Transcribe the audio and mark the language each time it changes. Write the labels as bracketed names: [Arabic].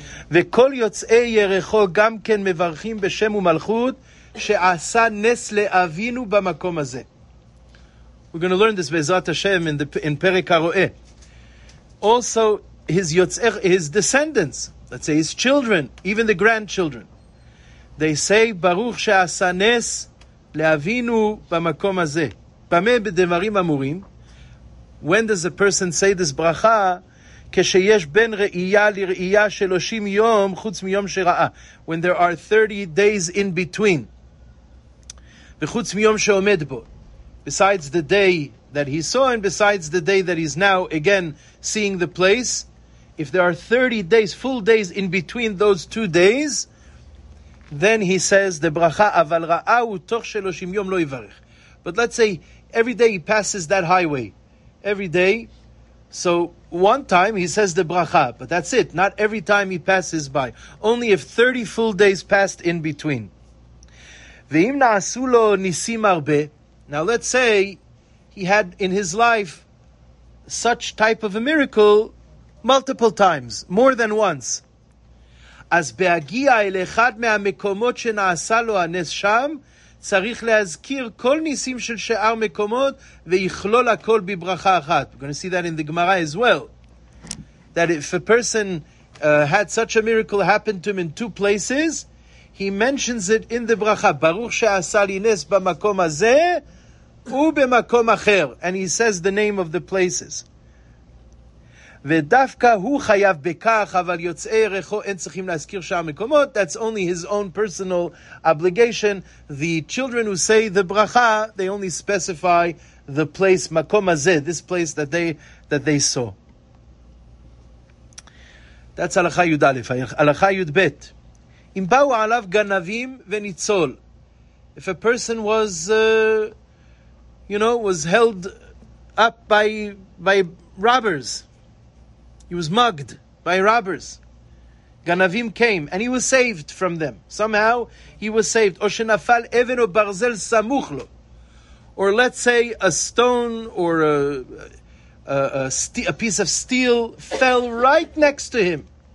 [Hebrew] וכל יוצאי ירחו גם כן מברכים בשם ומלכות שעשה נס לאבינו במקום הזה. [English] We're going to learn this [Hebrew] בעזרת השם [English] in פרק הרואה. Also, his descendants, let's say his children, even the grandchildren, they say, [Hebrew] ברוך שעשה נס לאבינו במקום הזה. [English] במה בדברים אמורים? When does a person say this ברכה? [Hebrew] כשיש בין ראייה לראייה 30 יום חוץ מיום שראה. [English] When there are 30 days in between. [Hebrew] וחוץ מיום שעומד בו. [English] Besides the day that he saw and besides the day that he's now again seeing the place. If there are 30 days, full days in between those two days, then he says, [Hebrew] דברכה אבל ראה הוא תוך 30 יום לא יברך. [English] But let's say, every day he passes that highway. Every day. So, one time he says the bracha, but that's it. Not every time he passes by. Only if 30 full days passed in between. [Hebrew] Ve'im na'asu lo nisim arbe. [English] Now let's say he had in his life such type of a miracle multiple times, more than once. [Hebrew] As be'agia el echad me'amekomot she'na'asa lo anes sham, צריך להזכיר כל ניסים של שאר מקומות ויכלול הכל בברכה אחת. [English] We're going to see that in the Gemara as well. That if a person had such a miracle happen to him in two places, he mentions it in the bracha. [Hebrew] ברוך שעשה לי נס במקום הזה ובמקום אחר. [English] And he says the name of the places. [Hebrew] ודווקא הוא חייב בכך, אבל יוצאי ירחו אין צריכים להזכיר שאר מקומות. [English] That's only his own personal obligation. The children who say the bracha, they only specify the place, [Hebrew] מקום הזה, [English] this place that they saw. That's [Hebrew] הלכה י' א', הלכה י' ב'. אם באו עליו גנבים וניצול. [English] If a person was, was held up by robbers, he was mugged by robbers. Ganavim came, and he was saved from them. Somehow, he was saved. Or [Hebrew] shenafal even o barzel samuchlo, [English] or let's say a stone or a piece of steel fell right next to him.